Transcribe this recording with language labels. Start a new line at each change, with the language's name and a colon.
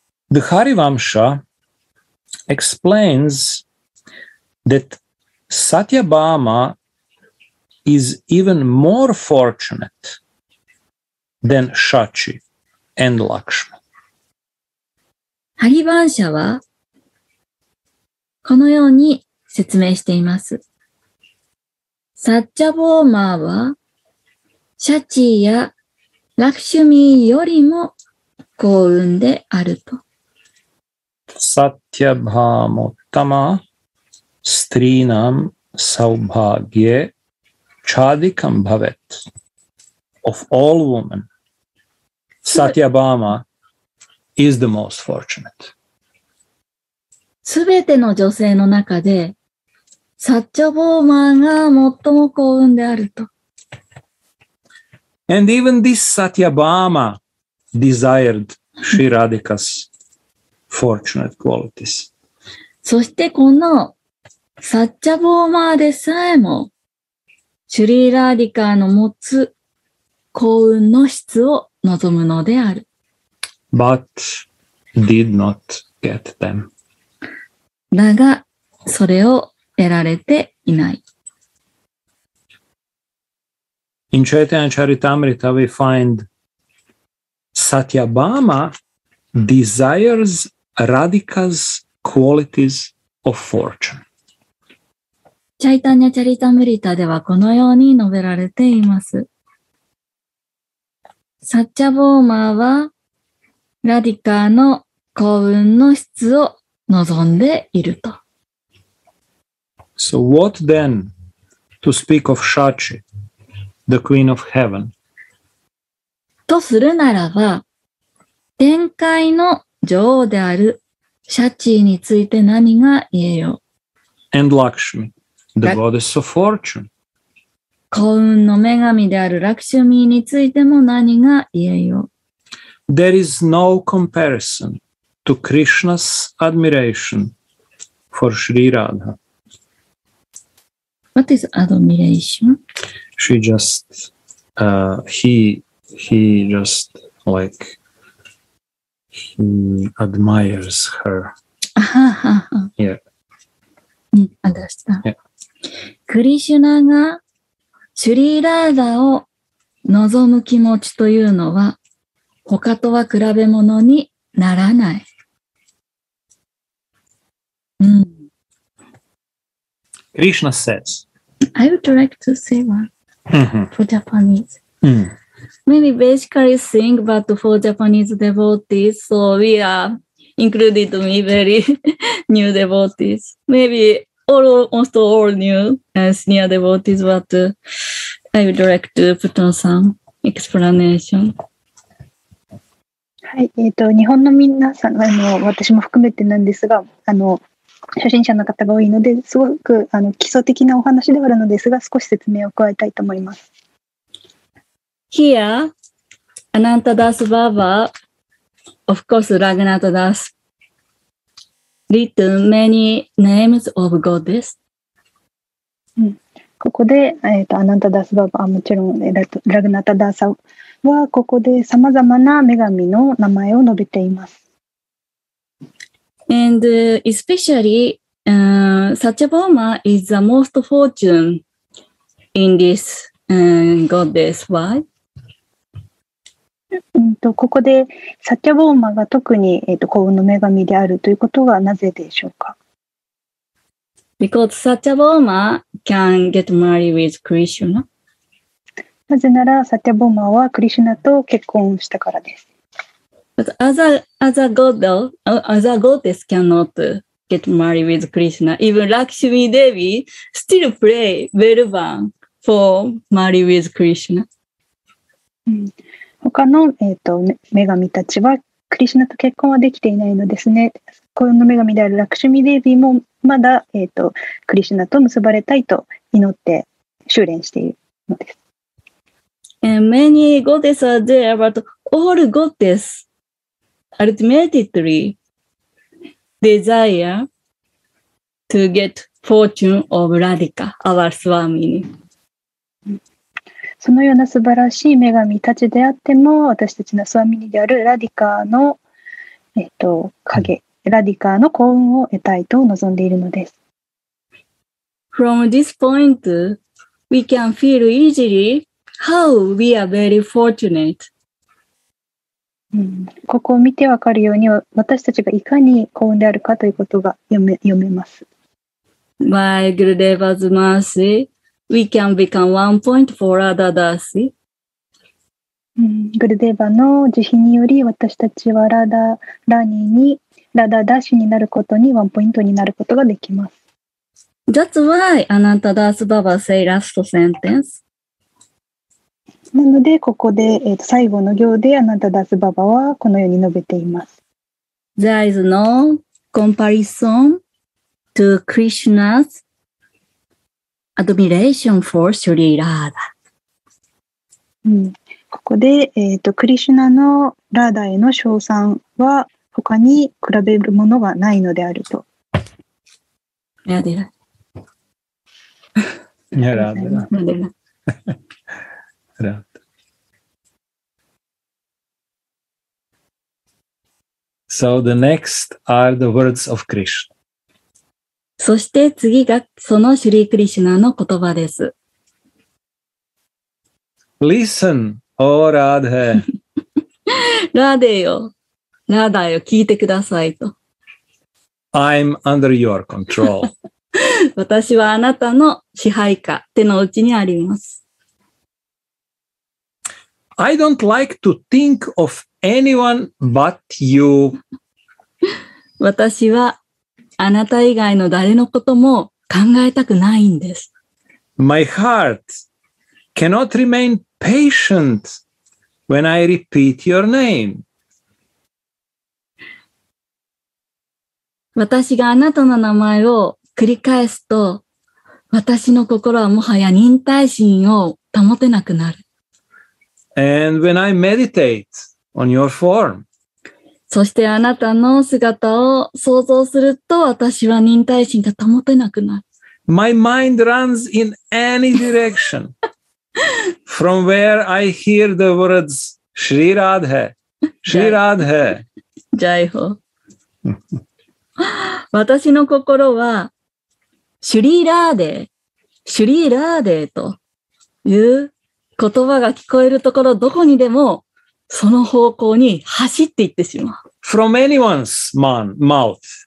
English: The Harivamsa explains that Satyabhama is even more fortunate than Shachi and Lakshmi.
Japanese: ハリバンシャはこのように説明しています。サッチャボーマーはシャチーやラクシュミーよりも幸運であると。
Sanskrit: サッチャバーモッタマストリーナムサウバーギェChadikam bhavet
English: of all women, Satyabhama is the most fortunate.
Japanese: すべての女性の中で、サッチャボーマーが最も幸運であると。
English: And even this Satyabhama desired Sri Radhika's fortunate qualities.
Japanese: そしてこのサッチャボーマーでさえも、シュリー・ラーディカーの持つ幸運の質を望むのである。
English: But did not get them.
Japanese: だが、それを得られていない。
English: In Chaitanya Charitamrita we find Satyabhama desires Radhika's qualities of fortune.
Japanese: チャイタニャチャリタムリタではこのように述べられています。サッチャボーマーはラディカーの幸運の質を望んでいると。
English: So what then to speak of Shachi, the Queen of Heaven?
Japanese: とするならば、天界の女王であるシャチーについて何が言えよう。
English: And Lakshmi. The goddess of fortune.
Japanese: 幸運の女神であるラクシュミーについても何が言えよう。
English: There is no comparison to Krishna's admiration for Sri Radha. What is admiration? She just, he just like, he admires her. Yeah. Understand. Yeah.
Japanese: クリシュナがシュリーラーダを望む気持ちというのは他とは比べ物にならない。
English: クリシュナ says, I would like to say one for Japanese. Maybe basically sing, but for Japanese devotees, so we are included me very new devotees. Maybe. Almost all new senior devotees, but I would like to put on some explanation.
Japanese: はい、日本の皆さん、私も含めてなんですが、初心者の方が多いのですごく基礎的なお話ではあるのですが、少し説明を加えたいと思います。
English: Here Anantadas Baba, of course Raghunathadas, written many names of goddess、
Japanese: うん、ここで、アナンタダースババはもちろん、ラグナタダーサはここでさまざまな女神の名前を述べています。
English: And especially, Satyabhauma is the most fortune in this、goddess. Why?
Japanese: ここで Satyabhauma が特に、幸運の女神であるということはなぜでしょうか？
English: Because Satyabhauma can get married with Krishna.
Japanese: なぜなら Satyabhauma はクリシュナと結婚したからです。
English: But other goddess cannot get married with Krishna. Even Lakshmi Devi still play Velvan for marry with Krishna.
Japanese: 他の、女神たちはクリシュナと結婚はできていないのですね。この女神であるラクシュミデビーもまだ、クリシュナと結ばれたいと祈って修練しているのです。
English: And many goddesses are there, but all goddesses ultimately desire to get fortune of Radhika, our Swami.
Japanese: そのような素晴らしい女神たちであっても、私たちのスワミニであるラディカの、影、ラディカの幸運を得たいと望んでいるのです。
English: From this point, we can feel easily how we are very fortunate.
Japanese: ここを見てわかるように私たちがいかに幸運であるかということが読めます。
English: By Gurudeva's mercy, we can become one point for other Dasi.
Japanese: Gurudeva の慈悲により私たちはラダダシになることにワンポイントになることができます。
English: That's why Anantadas Baba say last sentence.
Japanese: なのでここで、最後の行でアナンタダースババはこのように述べています。
English: There is no comparison to Krishna's admiration for Sri Radha、
Japanese: ここで、クリシュナのラーダへの称賛は他に比べるものがないのであると。ラーダラーダラーダ
English: ラーSo the next are the words of Krishna.
Japanese: そして次がそのシュリー・クリシュナの言葉です。
English: Listen, O Radhe.
Japanese: ラーデよ、聞いてくださいと。
English: I'm under your control.
Japanese: 私はあなたの支配下、手の内にあります。
English: I don't like to think of anyone but you.
Japanese: 私はあなた以外の誰のことも考えたくないんです。
English: My heart cannot remain patient when I repeat your name.
Japanese: 私があなたの名前を繰り返すと、私の心はもはや忍耐心を保てなくなる。
English: And when I meditate on your form.
Japanese: そしてあなたの姿を想像すると私は忍耐心が保てなくなる。
English: My mind runs in any direction from where I hear the words Shri Radhe, Shri Radhe.
Hindi: Jai Ho.
Japanese: 私の心はシュリーラーデという言葉が聞こえるところどこにでもその方向に走っていってしまう。
English: From anyone's mouth.